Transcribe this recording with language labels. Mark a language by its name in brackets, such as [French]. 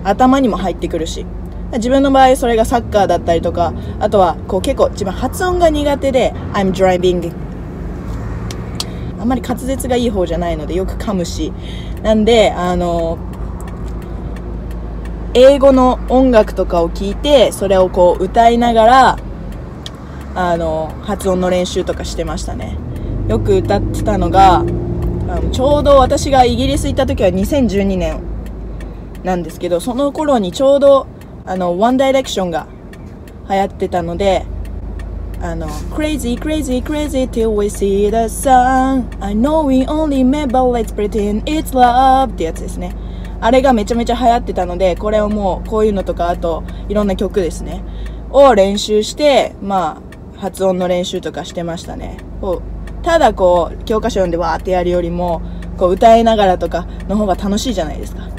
[Japanese] 頭にも入ってくるし。自分の場合それがサッカーだったりとか、あとは結構自分発音が苦手で、 [English] I'm driving、 [Japanese] あんまり滑舌がいい方じゃないのでよく噛むし、なんで英語の音楽とかを聞いて、それを歌いながら発音の練習とかしてましたね。よく歌ってたのが、ちょうど私がイギリス行った時は2012年なんですけど、その頃にちょうどワンダイレクションが流行ってたので、 [English] あの Crazy, crazy, crazy till we see the sun I know we only met but let's pretend it's love [Japanese] ってやつですね。あれがめちゃめちゃ流行ってたので、これをもうこういうのとか、あといろんな曲ですねを練習して、まあ発音の練習とかしてましたね。こうただこう教科書読んでわーってやるよりも、こう歌いながらとかの方が楽しいじゃないですか。